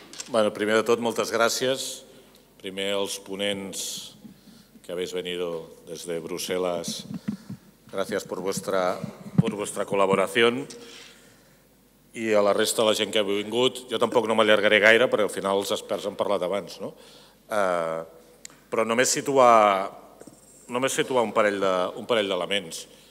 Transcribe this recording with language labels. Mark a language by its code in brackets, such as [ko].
[ca] Bueno, primer de tot, moltes gràcies. Primer als ponents que [es] habéis venido desde Bruselas. Gracias por vuestra colaboración. [ca] I a la resta de la gent que ha vingut, jo tampoc no m'allargaré gaire, perquè al final els experts han parlat abans, no? Però només situar un parell d'elements.